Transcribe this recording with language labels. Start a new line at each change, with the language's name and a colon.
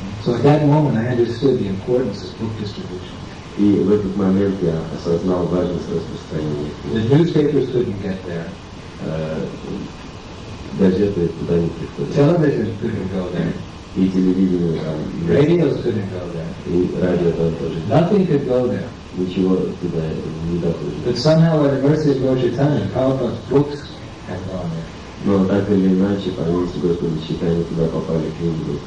English: So at that moment, I understood the importance of book distribution.
Russian: И в этот момент я осознал важность распространения.
English: The newspapers couldn't get there.
Russian: Газеты туда не приходили.
English: Television couldn't go there.
Russian: И телевидение там.
English: Radios couldn't go there.
Russian: И радио там тоже.
English: Nothing could go there.
Russian: Ничего туда не доходило.
English: But somehow at the mercy of Lord Chaitanya, Prabhupada's books had gone there.
Russian: Но так или иначе, по милости Господа Чайтанья туда попали книги.